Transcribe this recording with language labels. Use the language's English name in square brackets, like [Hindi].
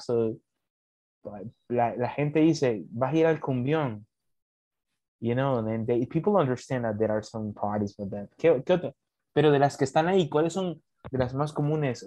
[Spanish] So la gente dice, vas a ir al cumbión. [English] You know, and they, people understand that there are some parties for that. [Spanish] ¿Qué otra? Pero de las que están ahí, ¿cuáles son de las más comunes?